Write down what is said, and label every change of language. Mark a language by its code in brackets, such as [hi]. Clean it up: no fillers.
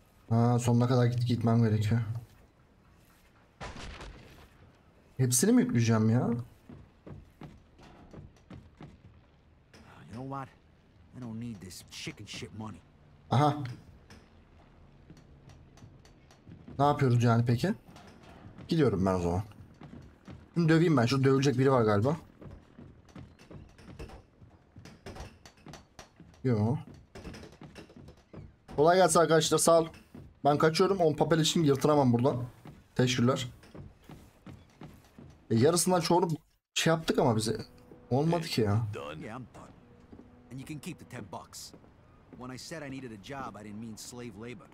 [tr] Ha, sonuna kadar gitmem gerekiyor. Hepsini mi yükleyeceğim ya? [en] You know what? I don't need this chicken shit money. Aha. [tr] Ne yapıyoruz yani peki? Gidiyorum ben o zaman. Şimdi döveyim ben. Şurada dövülecek biri var galiba. Yo. Kolay gelsin arkadaşlar. Sağ ol. Ben kaçıyorum. 10 papel için yırtınamam buradan. Teşekkürler. Yarısından çoğunu şey yaptık ama bize. Olmadı ki ya. [en] And you can keep the 10 bucks. When I said I needed a job, I didn't mean slave labor.